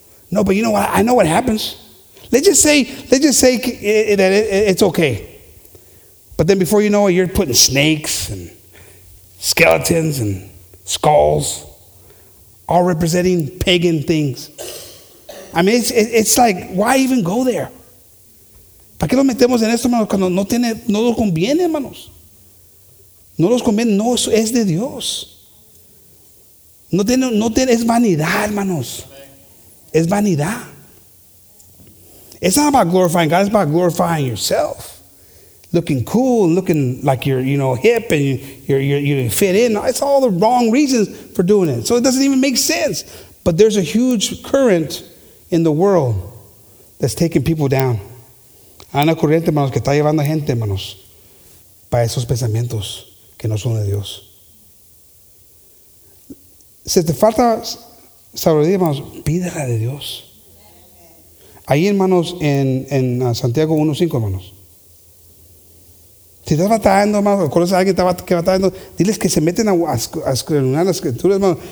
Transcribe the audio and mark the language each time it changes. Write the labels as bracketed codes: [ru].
[en] No, but you know what? I know what happens. Let's just say it's okay. But then before you know it, you're putting snakes and skeletons and skulls, all representing pagan things. I mean, it's like, why even go there? [es] ¿Para qué lo metemos en esto, hermanos, cuando no nos conviene, hermanos? No nos conviene, no es de Dios. No tiene, es vanidad, hermanos. Es vanidad. [en] It's not about glorifying God, it's about glorifying yourself. Looking cool and looking like you're, you know, hip and you fit in. It's all the wrong reasons for doing it. So it doesn't even make sense. But there's a huge current in the world that's taking people down. [es] Hay una corriente, hermanos, que está llevando gente, hermanos, para esos pensamientos que no son de Dios. Si te falta sabiduría, hermanos, pídela de Dios. Ahí, hermanos, en Santiago 1:5, hermanos. Si estás batallando, hermanos, conoces a alguien que está batallando, diles que se meten a escudriñar las escrituras, hermanos.